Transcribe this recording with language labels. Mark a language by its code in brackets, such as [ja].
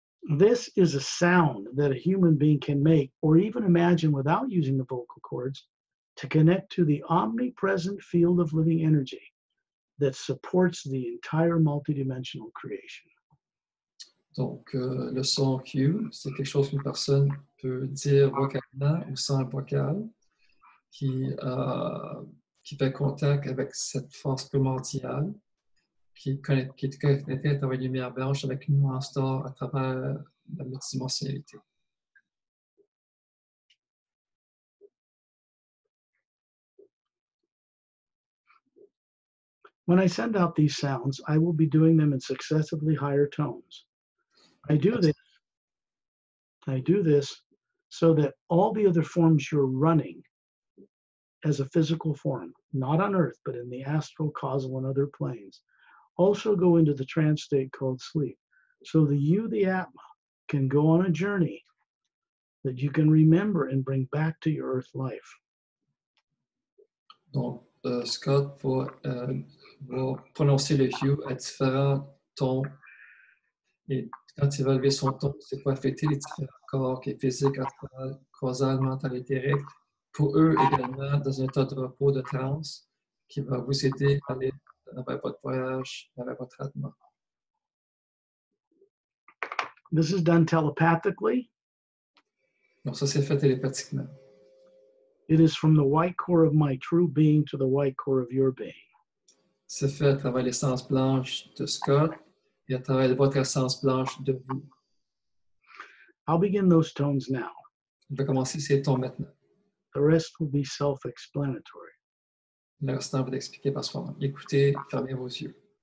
[en] This is a sound that a human being can make or even imagine without using the vocal cords to connect to the omnipresent field of living energy that supports the entire multidimensional creation. [fr] Donc, le son Q, c'est quelque chose qu'une personne peut dire vocalement ou sans vocal, qui fait contact avec cette force primordiale, qui est connectée à travers la lumière blanche avec une nuance d'or à travers la multidimensionnalité. [en] When I send out these sounds, I will be doing them in successively higher tones. I do this so that all the other forms you're running as a physical form, not on Earth, but in the astral, causal, and other planes, also go into the trance state called sleep. So the you, the Atma, can go on a journey that you can remember and bring back to your Earth life. [fr] Donc, Scott, pour prononcer le you à différents tons. Et quand il va lever son ton, c'est pour affecter les différents corps, qui est physique, astral, causal, mental, éthérique, pour eux également, dans un état de repos, de transe, qui va vous aider à aller vers votre voyage, vers votre traitement. [en] This is done telepathically. [fr] Donc ça, c'est fait télépathiquement. [en] It is from the white core of my true being to the white core of your being. [fr] C'est fait à travers l'essence blanche de Scott. Et à travers votre essence blanche de vous. [en] I'll begin those tones now. [fr] Je vais commencer ces tons maintenant. [en] The rest will be self-explanatory. [fr] Le restant va t'expliquer par soi-même. Écoutez, fermez vos yeux.